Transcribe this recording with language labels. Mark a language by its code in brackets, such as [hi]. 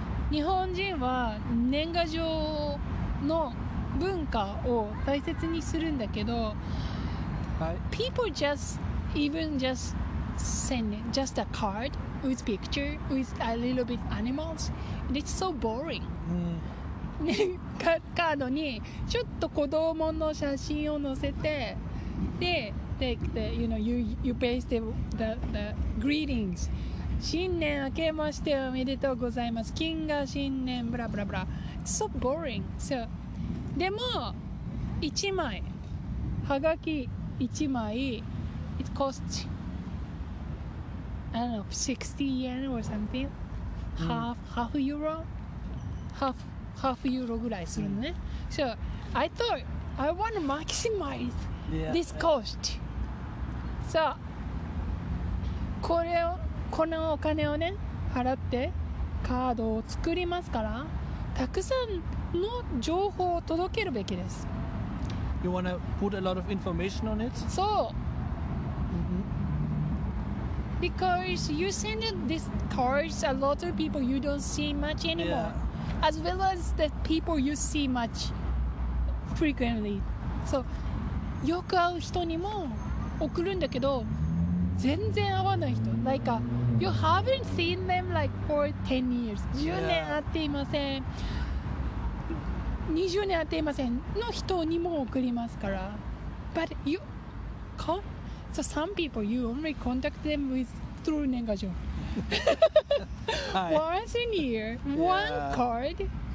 [ja] 日本人は年賀状の文化を大切にするんだけど、はい、 [en] people just send it, just a card with picture with a little bit animals. It's so boring.、 [ja] うん、カードにちょっと子供の写真を載せて、で、 [en] take the, you know, you paste the greetings. [ja] 新年明けましておめでとうございます。金が新年、ブラブラブラ。 [en] It's so boring. So, [ja] でも、1枚、はがき1枚、 [en] it costs, I don't know, 60 yen or something. Half euro? Half euro [ja] ぐらいするのね。 [en] So, I thought, I want to maximize this cost. [ja] さあ、これを、このお金をね、払ってカードを作りますから、たくさんの情報を届けるべきです。 [en] You wanna put a lot of information on it? [ja] そう、mm-hmm. [en] Because you send this card to a lot of people you don't see much anymore、 yeah. As well as the people you see much frequently. [ja] So, よく会う人にも送るんだけど、全然会わない人、 [en] like, you haven't seen them like for 10 years. [ja] 10年会っていません、yeah. 20年会っていませんの人にも送りますから。 [en] But you call, so some people you only contact them with through 年賀状 once in a year, one card.